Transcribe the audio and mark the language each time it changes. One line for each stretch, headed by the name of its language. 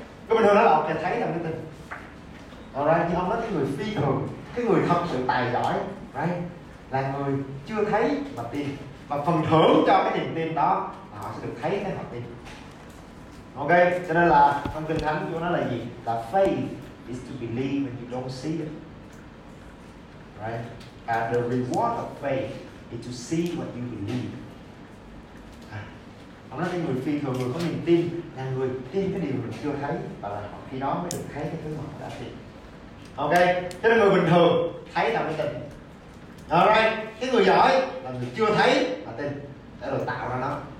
Vietnamese: Cái bình thường đó là ok, thấy là mới tin. Alright, nhưng ông nói cái người phi thường, cái người thật sự tài giỏi, right, là người chưa thấy mà tin. Và phần thưởng cho cái niềm tin đó là họ sẽ được thấy cái họ tin. Ok, cho nên là trong Kinh Thánh Chúa nói là gì?
English: Là faith is to believe when you don't see it. Right? And the reward of faith is to see what you believe.
Vietnamese: Ông nói cái người phi thường, người có niềm tin là người tin cái điều mình chưa thấy, và là khi đó mới được thấy cái thứ mà họ đã tin. Ok, cho nên người bình thường thấy là mới tin. Alright, cái người giỏi là người chưa thấy mà tin để rồi tạo ra nó.